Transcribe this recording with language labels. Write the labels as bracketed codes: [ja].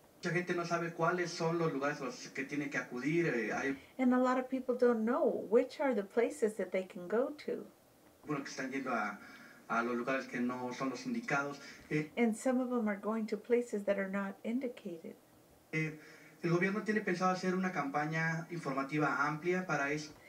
[es] Mucha gente no sabe cuáles son los lugares los que tiene que acudir. [en] And a lot of people don't know which are the places that they can go to. [es] Bueno, que están yendo a los lugares que no son los indicados. [en] And some of them are going to places that are not indicated. [es] El gobierno tiene pensado hacer una campaña informativa amplia para eso.